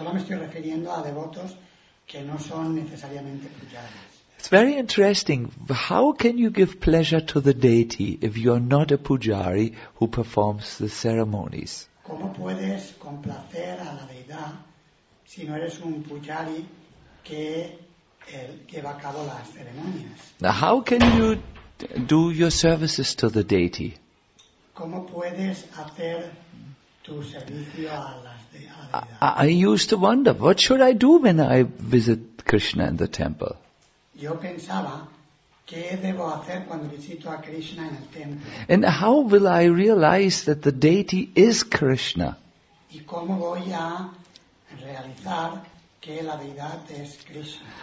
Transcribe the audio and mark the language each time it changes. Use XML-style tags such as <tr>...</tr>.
<es>Ahora me estoy refiriendo a devotos que no son necesariamente pujaris.</es> <en>It's very interesting. How can you give pleasure to the deity if you are not a pujari who performs the ceremonies?</en> <es>¿Cómo puedes complacer a la deidad si no eres un pujari que va a cabo las ceremonias?</es> <en>Now, how can you do your services to the deity?</en> <es>¿Cómo puedes hacer tu servicio a las deidades?</es> <en>I used to wonder, what should I do when I visit Krishna in the temple?</en> <es>Yo pensaba, ¿qué debo hacer cuando visito a Krishna en el templo?</es> <en>And how will I realize that the deity is Krishna?</en> <es>¿Y cómo voy a realizar que la deidad es Krishna?</es>